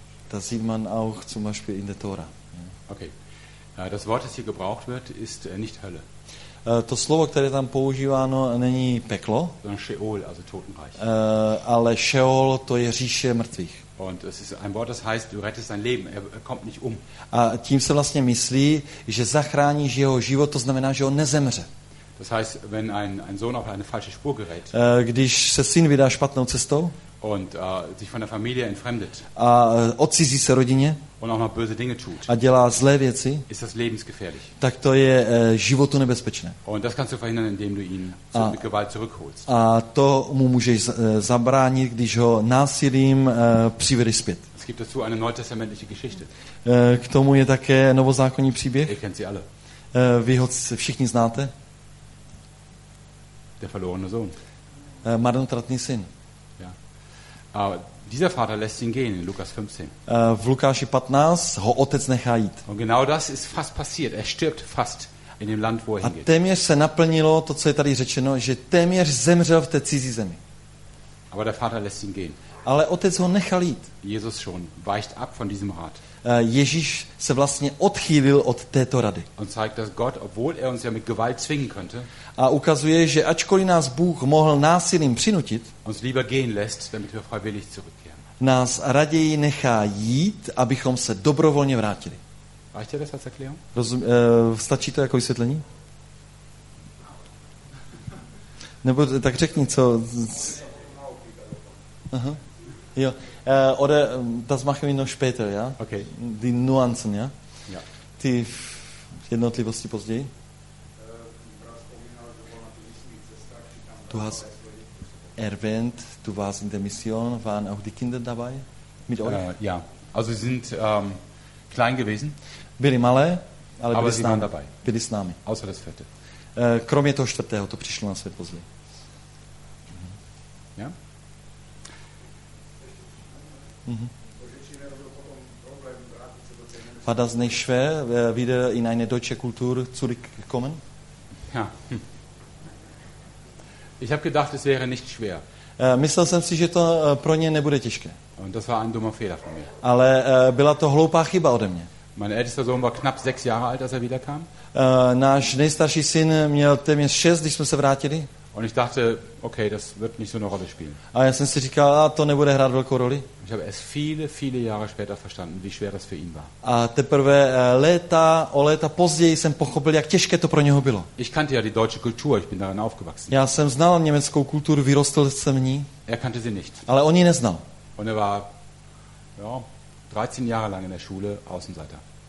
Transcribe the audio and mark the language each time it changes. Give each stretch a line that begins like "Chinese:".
German: Das sieht man auch zum Beispiel in der Tora. Okay. Das Wort, das hier gebraucht wird, ist nicht Hölle.
Czech: To slovo, které tam používáno, není peklo.
German: Sondern Sheol, also Totenreich.
Czech: Ale Sheol, to je říše mrtvých.
German: Und es ist ein Wort, das heißt, du rettest dein Leben, er kommt nicht um.
Czech: A tím se vlastně myslí, že zachráníš jeho život, to znamená, že on nezemře.
German: Das heißt, wenn ein Sohn auf eine falsche Spur gerät.
Czech: Když se syn vydá špatnou cestou.
German: Und sich von der Familie entfremdet.
Czech: A odcizí se rodině.
German: Und auch noch böse Dinge tut.
Czech: A dělá zlé věci.
German: Ist das lebensgefährlich.
Czech: Tak to je životu nebezpečné.
German: Und das kannst du verhindern, indem du ihn mit Gewalt zurückholst.
Czech: A to mu můžeš zabránit, když ho násilím přivedeš zpět.
German: Es gibt dazu eine neutestamentliche Geschichte.
Czech: K tomu je také novozákonní příběh.
German: Ihr kennt sie alle.
Czech: Vy ho všichni znáte.
German: Der verlorene Sohn.
Czech: Marnotratný syn.
German: Ja. A dieser Vater lässt ihn gehen in Lukas 15.
Czech: V Lukáši 15 ho otec nechá jít.
German: Und genau das ist fast passiert. Er stirbt fast in dem Land, wo er hingeht.
Czech: A téměř se naplnilo to, co je tady řečeno, že téměř zemřel v té cizí zemi.
German: Aber der Vater lässt ihn gehen.
Czech: Ale otec ho nechal jít.
German: Jesus schon weicht ab von diesem Rat.
Czech: Ježíš se vlastně odchýlil od této rady.
German: Und zeigt, dass Gott, obwohl er uns ja mit Gewalt zwingen könnte,
Czech: a ukazuje, že ačkoliv nás Bůh mohl násilím přinutit,
German: uns lieber gehen lässt, damit wir freiwillig zurückkehren.
Czech: Nás raději nechá jít, abychom se dobrovolně vrátili.
German: Reicht dir das als Erklärung?
Czech: Stačí to jako vysvětlení? Nebo tak řekni, co... Aha. Jo.
German: Oder das machen wir noch später, ja? Okay. Die Nuancen, ja? Ja.
Czech: Die jednotlivosti později.
German: Du hast erwähnt, du warst in der Mission, waren auch die Kinder dabei mit euch? Ja. Also sie sind klein gewesen.
Czech: Byli malé, ale
German: aber
Czech: byli
German: sie
Czech: s námi.
German: Waren dabei.
Czech: Byli s námi.
German: Außer das vierte.
Czech: Kromě toho čtvrtého, to přišlo na svět později.
German: Ja? Mhm. War das nicht schwer, wieder in eine deutsche Kultur zurückzukommen? Ja. Ich habe gedacht, es wäre nicht schwer.
Czech: Myslel jsem si, že to pro ně nebude těžké.
German: Und das war ein dummer Fehler von mir.
Czech: Ale byla to hloupá chyba ode mě.
German: Mein ältester Sohn war knapp 6 Jahre alt, als er wiederkam.
Czech: Náš nejstarší syn měl téměř 6, když jsme se vrátili.
German: Und ich dachte, okay, das wird nicht so eine Rolle spielen.
Czech: A já jsem si říkal, a to nebude hrát velkou roli.
German: Ich habe es viele, viele Jahre später verstanden, wie schwer das für ihn war.
Czech: A teprve léta později jsem pochopil, jak těžké to pro něho bylo.
German: Ich kannte ja die deutsche Kultur, ich bin darin aufgewachsen.
Czech: Já jsem znal německou kulturu, vyrostl jsem v ní.
German: Er kannte sie nicht.
Czech: Ale on ji neznal.
German: Und er war, ja, 13 Jahre lang in der Schule Außenseiter.